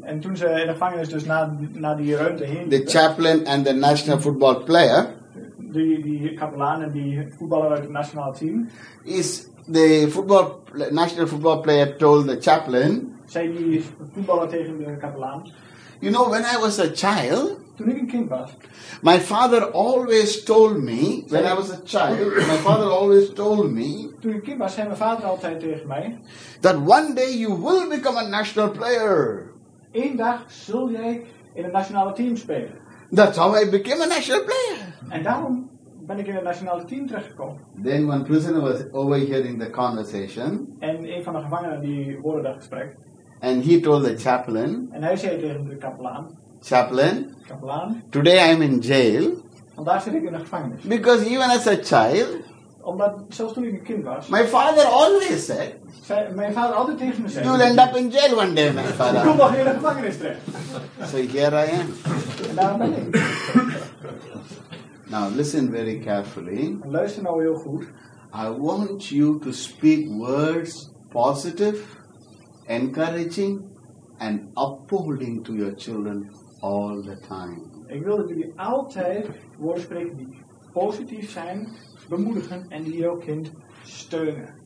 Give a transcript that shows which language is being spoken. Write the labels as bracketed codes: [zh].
[nl] en toen ze in de gevangenis dus naar die ruimte heen, [en] the chaplain and the national football player, [nl] die kapelaan en die voetballer uit het nationale team, [en] is the national football player told the chaplain. [nl] Zei die voetballer tegen de kapelaan. [en] You know, when I was a child. [nl] Toen ik een kind was. [en] My father always told me. When I was a child. My father always told me. [nl] Toen ik kind was, zei mijn vader altijd tegen mij. [en] That one day you will become a national player. [nl] Eén dag zul jij in het nationale team spelen. [en] That's how I became a national player. [nl] En daarom. Ben ik in het nationale team teruggekomen. [en] Then one prisoner was overhearing the conversation. [nl] En een van de gevangenen die hoorde dat gesprek. [en] And he told the chaplain. [nl] En hij zei tegen de kapelaan. [en] Chaplain. Today I'm in jail. [nl] Vandaag zit ik in de gevangenis. [en] Because even as a child. [nl] Omdat zelfs toen ik een kind was. [en] My father always said. [nl] Mijn vader altijd tegen me zei. [en] You'll end up in jail one day, my father. [nl] Ik kom nog in de gevangenis terecht. [en] So here I am. [nl] En daar ben ik. [en] Now listen very carefully. [nl] Luister nou heel goed. [en] I want you to speak words positive, encouraging and upholding to your children all the time. [nl] Ik wil dat jullie altijd woorden spreken die positief zijn, bemoedigen en die jouw kind steunen.